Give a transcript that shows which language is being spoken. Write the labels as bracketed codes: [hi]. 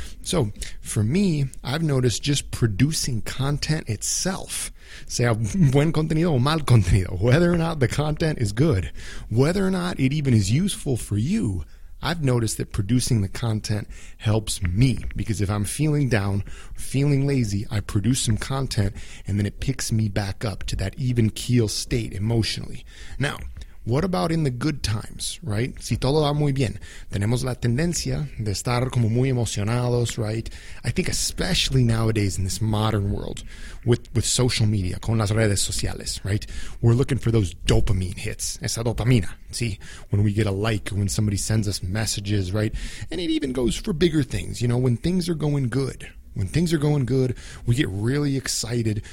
[en] So for me, I've noticed just producing content itself, [es] sea buen contenido o mal contenido, [en] whether or not the content is good, whether or not it even is useful for you, I've noticed that producing the content helps me, because if I'm feeling down, feeling lazy, I produce some content and then it picks me back up to that even keel state emotionally. Now, what about in the good times, right? [es] Si todo va muy bien, tenemos la tendencia de estar como muy emocionados, right? [en] I think especially nowadays in this modern world with social media, [es] con las redes sociales, [en] right? We're looking for those dopamine hits, [es] esa dopamina, [en] see? When we get a like, when somebody sends us messages, right? And it even goes for bigger things, you know, when things are going good. When things are going good, we get really excited.